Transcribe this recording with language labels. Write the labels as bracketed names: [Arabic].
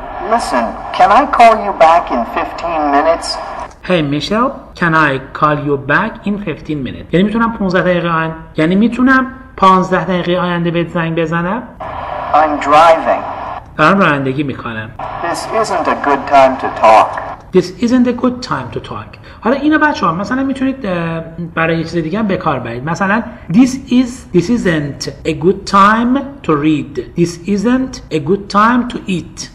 [English] Listen, can I call you back in 15 minutes? Hey, Michelle. Can I call you back in 15 minutes? [Persian] یعنی میتونم 15 دقیقه آن؟ یعنی میتونم 15 دقیقه آینده بهت زنگ بزنم؟ [English] I'm driving. [Persian] دارم رانندگی میکنم. [English] This isn't a good time to talk. This isn't a good time to talk. [Persian] حالا اینو بچه‌ها مثلا میتونید برای یه چیز دیگه هم به کار برید. [English] مثلا this isn't a good time to read. This isn't a good time to eat.